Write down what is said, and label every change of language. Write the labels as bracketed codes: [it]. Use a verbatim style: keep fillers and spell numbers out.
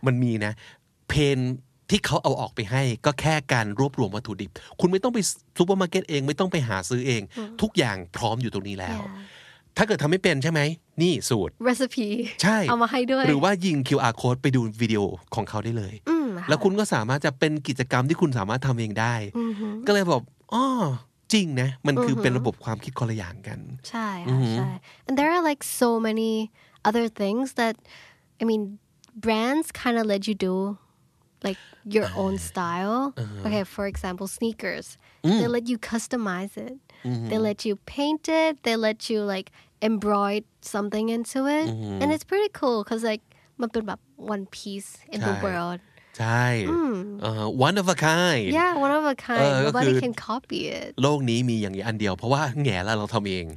[th] มันมีนะเพนที่เขาเอาออกไปให้ก็แค่การรวบรวมวัตถุดิบคุณไม่ต้องไปซูเปอร์มาร์เก็ตเองไม่ต้องไปหาซื้อเองทุกอย่างพร้อมอยู่ตรงนี้แล้ว [en] yeah. [th] ถ้าเกิดทำไม่เป็นใช่ไหมนี่สูตร [en] recipe [th] ใช่ เอามาให้ด้วย หรือว่ายิง คิว อาร์ code ไปดูวิดีโอของเขาได้เลย อืม แล้วคุณก็สามารถจะเป็นกิจกรรมที่คุณสามารถทำเองได้ก็เลยบอกอ๋อจริงนะมันคือเป็นระบบความคิดคนละอย่างกัน [en] ใช่ค่ะใช่ and there are like so many other things that I mean brands kind of let you do like your own style okay for example sneakers they let you customize it they let you paint it they let you like embroider something into it and it's pretty cool because like [th] มันเป็นแบบ [en] one piece in the world [th] ใช่เอ่อ [en] one of a kind yeah one of a kind [th] เออก็ [en] nobody [th] คือ [en] can copy it [th] โลกนี้มีอย่างนี้อันเดียวเพราะว่าแง่ละเราทำเอง